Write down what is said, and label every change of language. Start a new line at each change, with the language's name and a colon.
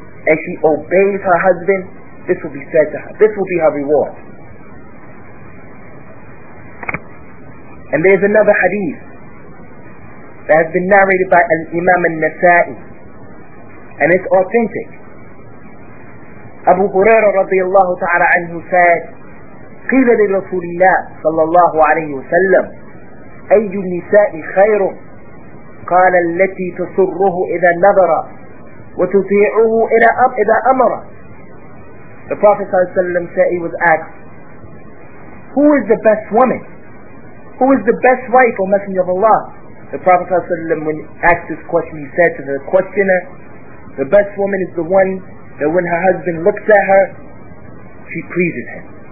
English: And she obeys her husband, this will be said to her. This will be her reward. And there's another hadith that has been narrated by Al-Imam Al-Nasa'i, and it's authentic. Abu Huraira radiallahu ta'ala anhu said,
Arabic: قِيلَ لِرَسُولِ اللَّهِ صَلَّى اللَّهُ عَلَيْهِ وَسَلَّمْ أَيُّ النِّسَاءِ خَيْرٌ قَالَ الَّتِي تَصُرُّهُ إِذَا نَظَرَ وَتُطِيعُهُ إِلَىٰ إِذَا أَمَرَ.
English: The Prophet sallallahu alayhi wa sallam said, he was asked, who is the best woman? Who is the best wife, O Messenger of Allah? The Prophet sallallahu alayhi wa sallam, when asked this question, he said to the questioner, the best woman is the one that when her husband looks at her, she pleases him.